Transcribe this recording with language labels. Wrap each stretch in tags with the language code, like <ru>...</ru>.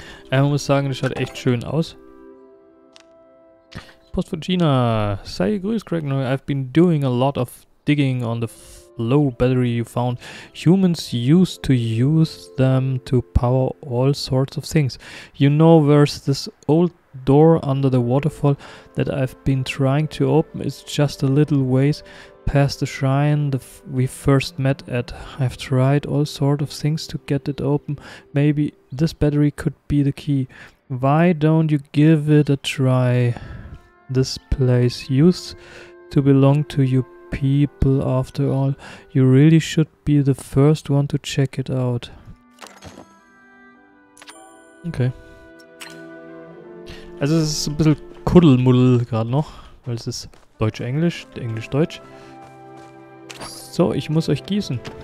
<de>Man muss sagen, das schaut echt schön aus. Post von Gina. Sei gegrüßt, Craig.</de> <en>I've been doing a lot of digging on the low battery you found. Humans used to use them to power all sorts of things. You know, there's this old door under the waterfall that I've been trying to open. It's just a little ways past the shrine we first met at. I've tried all sorts of things to get it open. Maybe this battery could be the key. Why don't you give it a try? This place used to belong to you people, after all. You really should be the first one to check it out. Okay.</en> <de>Also es ist ein bisschen Kuddelmuddel gerade noch, weil es ist Deutsch-Englisch, Englisch-Deutsch. So, ich muss euch gießen.</de>